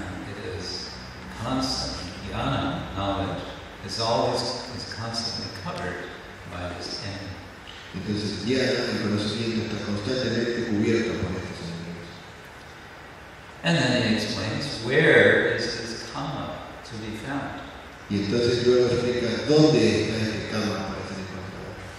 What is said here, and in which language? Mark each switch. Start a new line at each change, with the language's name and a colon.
English: It is constant jnana, knowledge. It's always is constantly covered by this enemy.
Spanish: Entonces, yeah, el conocimiento está constantemente cubierto por estos enemigos.
English: And then he explains, where is this kama to be found?
Spanish: Y entonces luego explica dónde está este karma para ser encontrado.